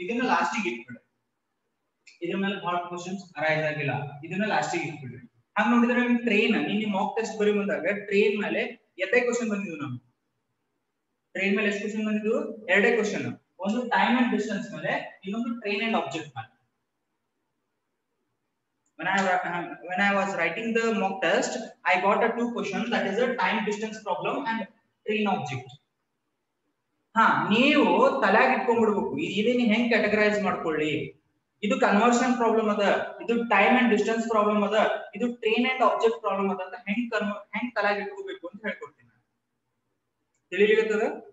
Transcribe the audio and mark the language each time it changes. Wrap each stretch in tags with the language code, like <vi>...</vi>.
<kn>ಇದನ್ನ ಲಾಸ್ಟಿಗೆ ಇಟ್ಬಿಡ, ಇದ್ರ ಮೇಲೆ ಬಹಳ ಕ್ವಶನ್ಸ್ ಅರೈಸ್ ಆಗಿಲ್ಲ, ಇದನ್ನ ಲಾಸ್ಟಿಗೆ ಇಟ್ಬಿಡ್ರಿ. ಹಂಗ ನೋಡಿದ್ರೆ ನಿಮ್ ಟ್ರೈನ್ ನಿನ್ನೆ ಮಾಕ್ ಟೆಸ್ಟ್ ಬರಿ ಬಂದಾಗ ಟ್ರೈನ್ ಮೇಲೆ ಎರಡೇ ಕ್ವಶನ್ ಬಂದಿದ್ವು ನಾವು. ಟ್ರೈನ್ ಮೇಲೆ ಎಷ್ಟು ಕ್ವಶನ್ ಬಂದಿದ್ವು? ಎರಡೇ ಕ್ವಶನ್, ಒಂದು ಟೈಮ್ ಅಂಡ್ ಡಿಸ್ಟೆನ್ಸ್ ಮೇಲೆ, ಇನ್ನೊಂದು ಟ್ರೈನ್ ಅಂಡ್ ಆಬ್ಜೆಕ್ಟ್ ಮೇಲೆ.</kn> <en>When I was writing the mock test, I got a two questions, that is a time distance problem and train object.</en> <kn>ಹಾ, ನೀವು ತಲೆಯಾಗಿ ಇಟ್ಕೊಂಡ್ಬಿಡ್ಬೇಕು ಇದನ್ನ ಹೆಂಗ್ ಕ್ಯಾಟಗರೈಸ್ ಮಾಡ್ಕೊಳ್ಳಿ. ಇದು ಕನ್ವರ್ಷನ್ ಪ್ರಾಬ್ಲಮ್ ಅದ, ಇದು ಟೈಮ್ ಅಂಡ್ ಡಿಸ್ಟೆನ್ಸ್ ಪ್ರಾಬ್ಲಮ್ ಅದ, ಇದು ಟ್ರೈನ್ ಅಂಡ್ ಆಬ್ಜೆಕ್ಟ್ ಪ್ರಾಬ್ಲಮ್ ಅದ ಅಂತ ಹೆಂಗ್ ತಲೆಯಾಗಿ ಇಟ್ಕೋಬೇಕು ಅಂತ ಹೇಳ್ಕೊಡ್ತೀನಿ. ತಿಳಿಲಿಕ್ಕದ?</kn>